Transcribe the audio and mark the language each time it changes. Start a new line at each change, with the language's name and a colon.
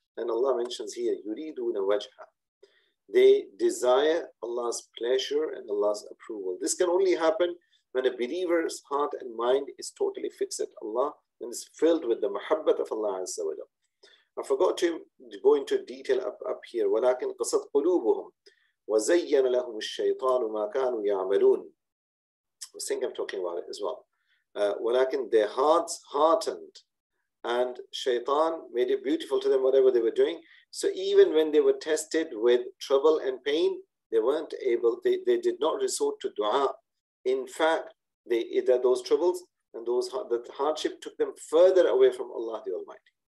English: And Allah mentions here, yuriduna wajha. They desire Allah's pleasure and Allah's approval. This can only happen when a believer's heart and mind is totally fixed at Allah and is filled with the muhabbat of Allah Azza wa Jalla. I forgot to go into detail up here.
Arabic: وَلَكِنْ قَسَدْ قُلُوبُهُمْ وَزَيَّنَ لَهُمُ الشَّيْطَانُ مَا كَانُوا يَعْمَلُونَ.
English: I think I'm talking about it as well.
Arabic: وَلَكِنْ
English: their hearts heartened and shaitan made it beautiful to them whatever they were doing. So even when they were tested with trouble and pain, they weren't able, they did not resort to dua. In fact, they either those troubles and those that hardship took them further away from Allah the Almighty.